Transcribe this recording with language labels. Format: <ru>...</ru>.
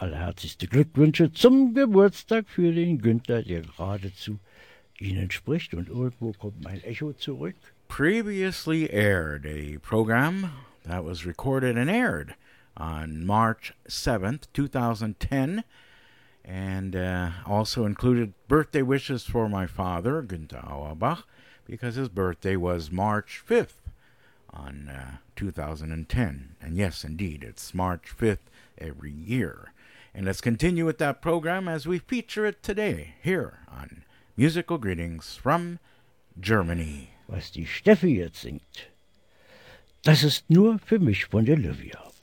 <de>Allerherzigste Glückwünsche zum Geburtstag für den Günther, der gerade zu Ihnen spricht. Und irgendwo kommt mein Echo zurück.</de> <en>Previously aired a program that was recorded and aired on March 7th, 2010. And also included birthday wishes for my father, Günther Auerbach, because his birthday was March 5th on 2010. And yes, indeed, it's March 5th every year. And let's continue with that program as we feature it today here on Musical Greetings from Germany.</en> <de>was die Steffi jetzt singt, das ist nur für mich von Olivia.</de>